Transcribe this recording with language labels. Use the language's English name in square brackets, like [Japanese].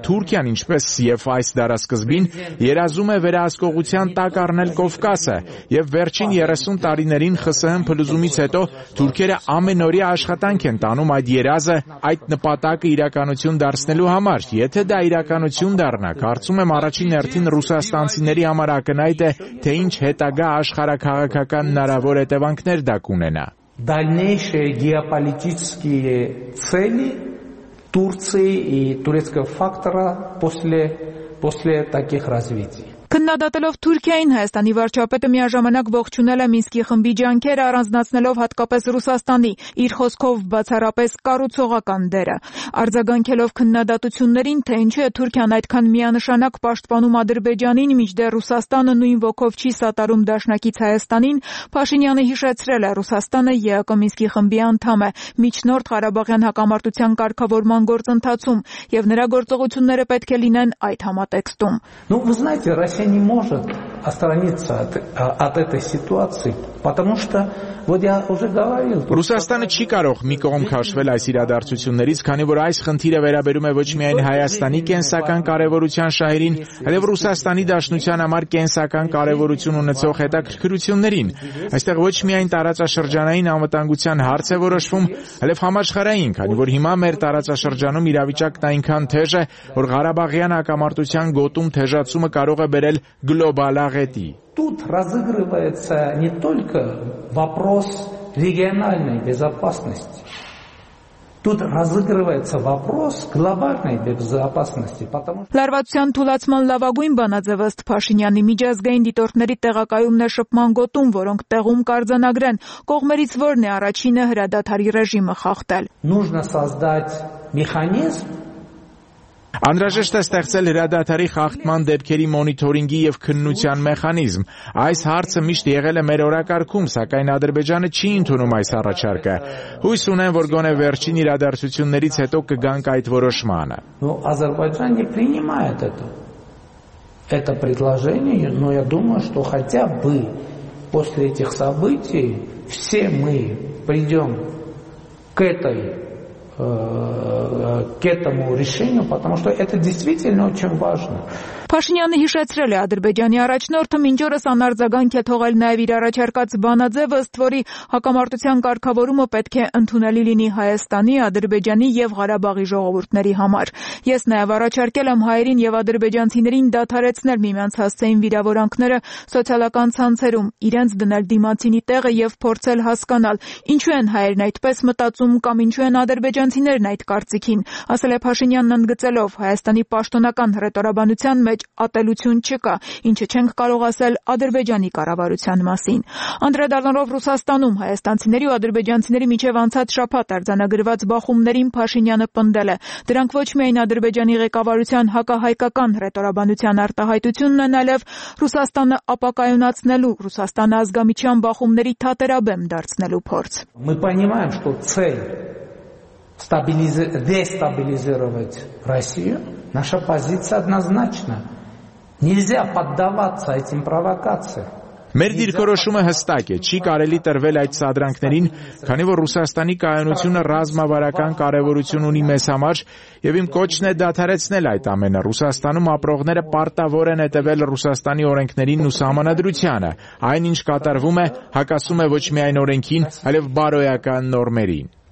[Armenian] Թուրքիան, ինչպես եւ այս դարասկզբին, երազում է վերահսկողության տակ առնել Կովկասը, եւ վերջին 30 տարիներին ԽՍՀՄ փլուզումից հետո թուրքերը ամենօրյա աշխատանք են տանում այդ երազը, այդ նպատակը իրականություն դարձնելու համար։ Եթե դա իրականություն դառնա, կարծում եմ առաջին հերթին ռուսաստանցիների համար ակնհայտ է, թե ինչ հետագա աշխարհակաղակական հնարավոր հետևանքներ դա կունենա։ [Russian] Дальнейшие геополитические цели Турции и турецкого фактора после таких развитий. [Armenian] Քննադատելով Թուրքիային, Հայաստանի վարչապետը միաժամանակ ողջունել է Մինսկի խմբի ջանքերը, առանձնացնելով հատկապես Ռուսաստանի իր խոսքով բացառապես կառուցողական դերը։ Արձագանքելով քննադատություններին, թե ինչու է Թուրքիան այդքան միանշանակ պաշտպանում Ադրբեջանին, մինչդեռ Ռուսաստանը նույն ոգով չի սատարում դաշնակից Հայաստանին, Փաշինյանը հիշեցրել է, Ռուսաստանը ԵԱԿ Մինսկի խմբի անդամ է, միջնորդ Ղարաբաղյան հակամարտության կարգավորման գործընթացում, և նրա գործողությունները պետք է լինեն այդ համատեքստում։ [Russian] Россия не может отстраниться от, от этой ситуации, потому что вот я уже говорил. [Armenian] Ռուսաստանը չի կարող մի կողմ քաշվել այս իրադարձություններից, քանի որ այս խնդիրը վերաբերում է ոչ միայն Հայաստանի կենսական կարևորության շահերին, այլև Ռուսաստանի Դաշնության համար կենսական կարևորություն ունեցող հետաքրքրություններին։ Այստեղ ոչ միայն տարածաշրջանային անվտանգության հարց է որոշվում, այլև համաշխարհային, քանի որ հիմա մեր տարածաշրջանում իրավիճակն այնքան թեժ է, որ Ղարաբաղյան հակամարտության գոտում թեժացումը կարող է բերել գլոբալ աղետի։ [Russian] Тут разыгрывается не только вопрос региональной безопасности. Тут разыгрывается вопрос глобальной безопасности, потому что [Armenian] Լարվացյան թուլացման լավագույն բանաձև ըստ Փաշինյանի միջազգային դիտորդների տեղակայումներ շփման գոտում, որոնք տեղում կարձանագրեն, կողմերից որն է առաջինը հրադադարի ռեժիմը խախտել։ [Russian] Нужно создать механизм [Armenian] Անդրաժեշտ է ստեղծել հրադադարի խախտման դեպքերի մոնիթորինգի եւ քննության մեխանիզմ։ Այս հարցը միշտ եղել է մեր օրակարգում, սակայն Ադրբեջանը չի ընդունում այս առաջարկը։ Հույս ունեմ, որ գոնե վերջին իրադարձություններից հետո կգանք այդ որոշմանը։ [Russian] Ну, Азербайджан не принимает это предложение, но я думаю, что хотя бы после этих событий все мы придём к этой к этому решению, потому что это действительно очень важно. [Armenian] Փաշինյանը հիշեցրել է Ադրբեջանի առաջնորդը մինչ օրս անարձագանք է թողել նաև իր առաջարկած բանաձևը, ըստ որի հակամարտության կարգավորումը պետք է ընդունելի լինի Հայաստանի, Ադրբեջանի եւ Ղարաբաղի ժողովուրդների համար։ Ես նաև առաջարկել եմ հայերին եւ ադրբեջանցիներին դադարեցնել միմյանց հասցեին վիրավորանքները սոցիալական ցանցերում, իրենց դնել դիմացինի տեղը եւ փորձել հասկանալ, ինչու են հայերն այդպես մտածում կամ ինչու են ադրբեջանցիներն այդ կարծիքին, ասել է Փաշինյանն ընդգծելով Հայաստանի պաշտոնական ռետորաբանության մեջ ապելություն չկա, ինչը չենք կարող ասել Ադրբեջանի կառավարության մասին։ Անդրադառնալով Ռուսաստանում հայաստանցիների ու ադրբեջանցիների միջև անցած շաբաթ արձանագրված բախումներին Փաշինյանը պնդել է, դրանք ոչ միայն Ադրբեջանի ղեկավարության հակահայկական ռետորաբանության արտահայտությունն են, այլև Ռուսաստանը ապակայունացնելու, Ռուսաստանը ազգամիչյան բախումների թատերաբեմ դարձնելու փորձ։ [Russian] Мы понимаем, что цель дестабилизировать Россию, наша позиция однозначна. Нельзя поддаваться этим провокациям. [Armenian] Մեր դիրքորոշումը հստակ է, չի կարելի տրվել այդ սադրանքներին, քանի որ Ռուսաստանի կայունությունը ռազմավարական կարևորություն ունի մեզ համար, եւ իմ կոչն է դադարեցնել այդ ամենը։ Ռուսաստանում ապրողները պարտավոր են հետևել Ռուսաստանի օրենքներին ու համանդրությանը։ Այնինչ կատարվում է, հակասում է ոչ միայն օրենքին, այլև բարոյական նորմերին։